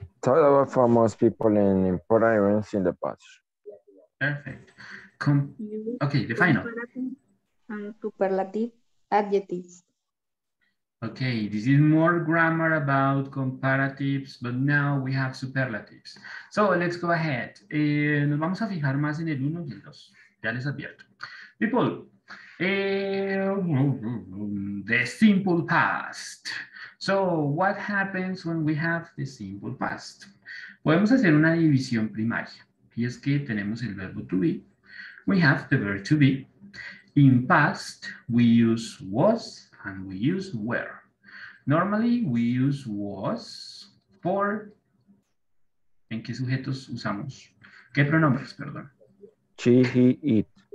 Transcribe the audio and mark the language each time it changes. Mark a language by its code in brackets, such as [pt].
[en] Talk about famous people and important events in the past. Perfect. Okay, the final. Superlative adjectives. Okay, this is more grammar about comparatives, but now we have superlatives. So let's go ahead. [es] Nos vamos a fijar más en el uno y el dos. Ya les advierto. [en] People, the simple past. So what happens when we have the simple past? [es] Podemos hacer una división primaria. Y es que tenemos el verbo to be. [en] We have the verb to be. In past, we use was and we use were. Normally, we use was for... [es] ¿En qué sujetos usamos? ¿Qué pronombres, perdón? [en] She, he, it.